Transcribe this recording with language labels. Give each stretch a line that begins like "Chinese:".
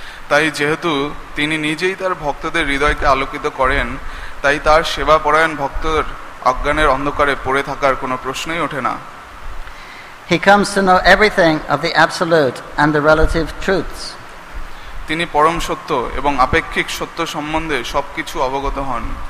Bangla: তাই যেহেতু তিনি নিজেই তার ভক্তদের হৃদয়কে আলোকিত করেন, তাই তার সেবা পরায়ণ ভক্তদের অজ্ঞানের অন্ধকারে পড়ে থাকার কোনো প্রশ্নই ওঠে না।
English: He comes to know everything of the absolute and the relative truths.
Bangla: তিনি পরম সত্য এবং আপেক্ষিক সত্য সম্বন্ধে সবকিছু অবগত হন।